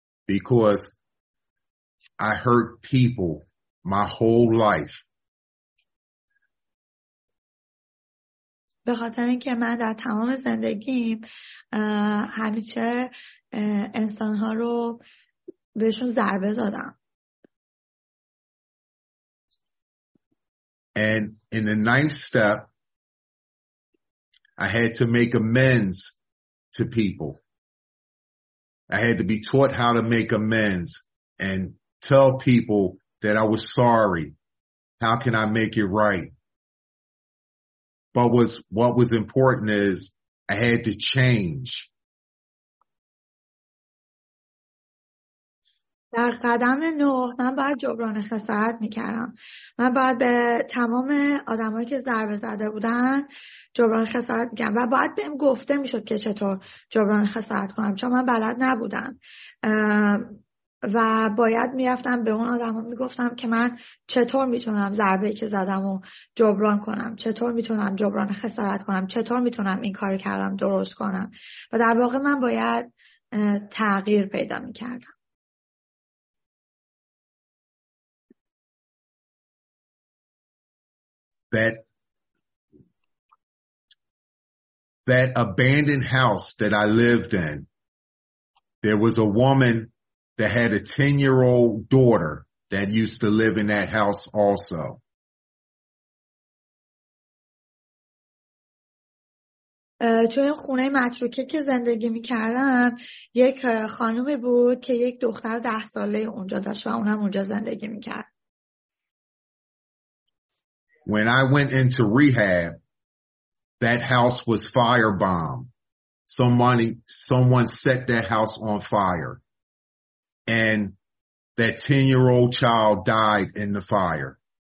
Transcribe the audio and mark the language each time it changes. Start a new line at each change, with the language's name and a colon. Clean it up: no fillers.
English: Because I hurt people my whole life.
Persian: به خاطر اینکه من در تمام زندگیم همیشه انسان‌ها رو بهشون ضربه زدم.
English: And in the 9th step I had to make amends to people. I had to be taught how to make amends and tell people that I was sorry. How can I make it right? But what was important is I had to change.
Persian: در قدم 9 من باید جبران خسارت میکردم. من باید به تمام آدمایی که ضربه زده بودن جبران خسارت میکردم و باید بهم گفته میشد که چطور جبران خسارت کنم چون من بلد نبودم. و باید میرفتم به اون آدم ها میگفتم که من چطور میتونم ضربه ای که زدم و جبران کنم، چطور میتونم جبران خسارت کنم، چطور میتونم این کار کردم درست کنم. و در واقع من باید تغییر پیدا میکردم.
English: That abandoned house that I lived in, there was a woman that had a 10-year-old daughter that used to live in that house also.
Persian: تو این خونه متروکه که زندگی می‌کردم، یک خانم بود که یک دختر 10 ساله اونجا داشت و اونم اونجا زندگی می‌کرد.
English: When I went into rehab, that house was firebombed. Someone set that house on fire. And that 10-year-old child died in the fire.